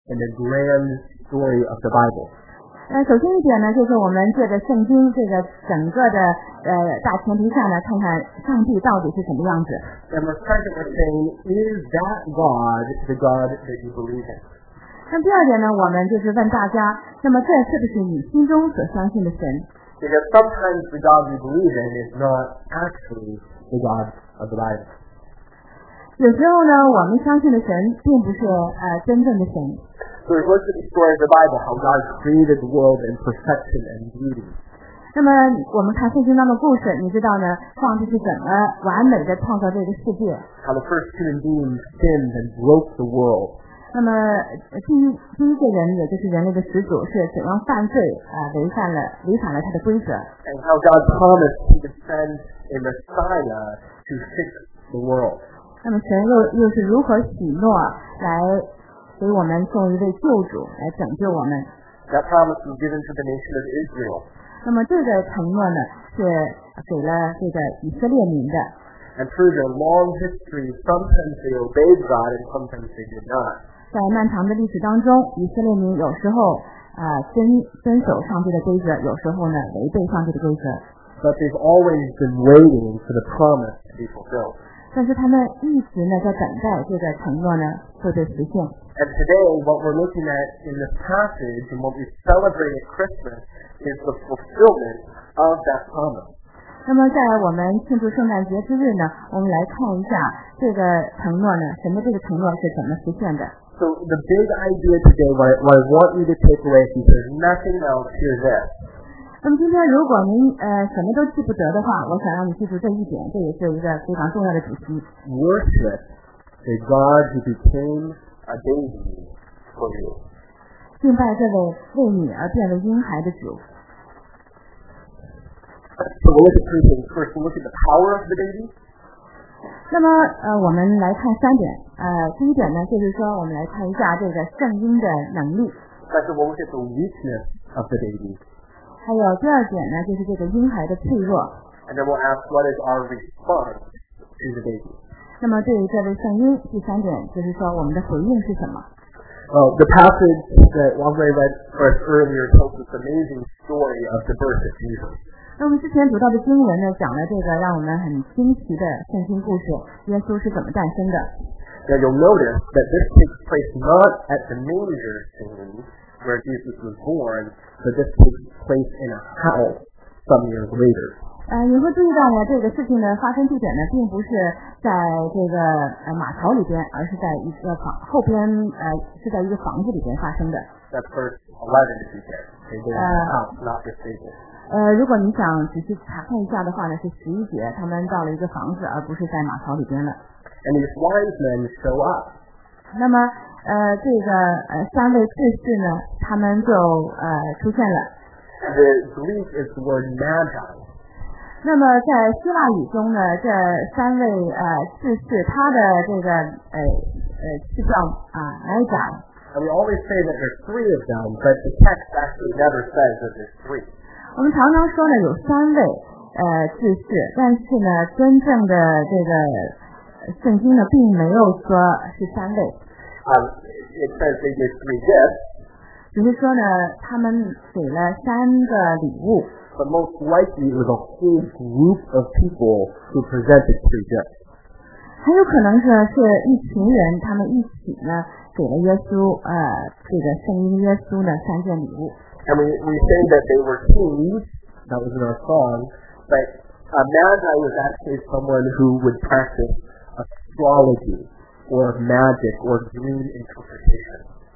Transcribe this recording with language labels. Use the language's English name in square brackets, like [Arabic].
[English] in the grand story of the Bible. [Chinese] 首先一点呢，就是我们借着圣经这个整个的大前提下呢，看看上帝到底是什么样子。 [English] And the second thing is that God the God that you believe in. [Chinese] 那第二点呢，我们就是问大家，那么这是不是你心中所相信的神？ [English] Because sometimes the God we believe in is not actually the God of the Bible. [Chinese] 有时候呢，我们相信的神并不是真正的神。 [English] So we looked at the story of the Bible, how God created the world in perfection and beauty. [Chinese] 那么我们看圣经当中的故事，你知道呢，上帝是怎么完美的创造这个世界？ [English] How the first human being sinned and broke the world. [Chinese] 那么第一个人，也就是人类的始祖，是怎样犯罪违反了他的规则？ [English] And how God promised to send a Messiah to fix the world. [Chinese] 那么神又是如何许诺来？所以我们送一位救主来拯救我们。 [English] That promise was given to the nation of Israel. [Chinese] 那么这个承诺呢，是给了这个以色列民的。 [English] And through their long history, sometimes they obeyed God and sometimes they did not. [Chinese] 在漫长的历史当中，以色列民有时候遵守上帝的规则，有时候呢违背上帝的规则。 [English] But they've always been waiting for the promise to be fulfilled. [Chinese] 但是他们一直呢在等待这个承诺呢会被实现。 [English] And today, what we're looking at in this passage, and what we celebrate at Christmas, is the fulfillment of that promise. [Chinese] 那么在我们庆祝圣诞节之日呢，我们来看一下这个承诺呢，神的这个承诺是怎么实现的。 [English] So the big idea today, what I want you to take away, if there's nothing else, here's this. [Chinese] 那么今天如果您什么都记不得的话，我想让你记住这一点，这也是一个非常重要的主题。 [English] Worship the God who became a baby for you. [Chinese] 敬拜这位为你而变为婴孩的主。 [English] So we'll look at three things. First, we'll look at the power of the baby. [Chinese] 那么我们来看三点。第一点呢，就是说我们来看一下这个圣婴的能力。 [English] Second, we'll look at the weakness of the baby. [Chinese] 还有第二点呢，就是这个婴孩的脆弱。 [English] And then we'll ask what is our response to the baby. [Chinese] 那么对于这位圣婴，第三点就是说我们的回应是什么？ [English] Well, the passage that Wangwei read for us earlier tells this amazing story of the birth of Jesus. [Chinese] 那我们之前读到的经文呢，讲了这个让我们很惊奇的圣经故事，耶稣是怎么诞生的。 [English] Now you'll notice that this takes place not at the manger scene where Jesus was born, but this takes place in a house some years later. [Chinese] 你会注意到呢，这个事情的发生地点呢，并不是在这个马槽里边，而是在一个房后边，是在一个房子里边发生的。 [English] That's verse 11 if you care. Not the stable. [Chinese] 如果你想仔细查看一下的话呢，是十一节，他们到了一个房子，而不是在马槽里边了。 [English] And these wise men show up. [Chinese] 那么这个三位志士呢，他们就出现了。 [English] The Greek is the word magi. [Chinese] 那么在希腊语中呢，这三位志士，他的这个是叫Magi。 [English] We always say that there's three of them, but the text actually never says that there's three. [Chinese] 我们常常说呢有三位志士，但是呢真正的这个圣经呢并没有说是三位。 [English] It says they gave three gifts. [Chinese] 只是说呢他们给了三个礼物。 [English] But most likely, it was a whole group of people who presented three gifts. [Chinese] 很有可能是一群人，他们一起呢给了耶稣，这个圣婴耶稣呢三件礼物。 [English] And we say that they were kings. That was in our song. But a magi was actually someone who would practice astrology or magic or dream interpretation.